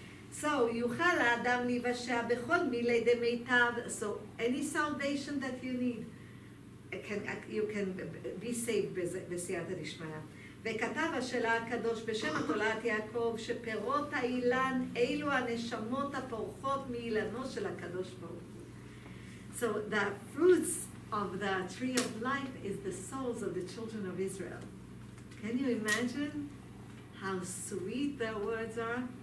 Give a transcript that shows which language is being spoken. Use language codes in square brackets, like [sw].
[he] So יוכל האדם להיוושע בכל מילי דמיטב. [en] So any salvation that you need, you can be saved [he] בסייעתא דשמיא. וכתב השאלה הקדוש בשם התולעת יעקב, שפירות האילן אלו הנשמות הפורחות מאילנו של הקדוש ברוך הוא. [en] So the fruits of the tree of life is the souls of the children of Israel. Can you imagine how sweet their words are?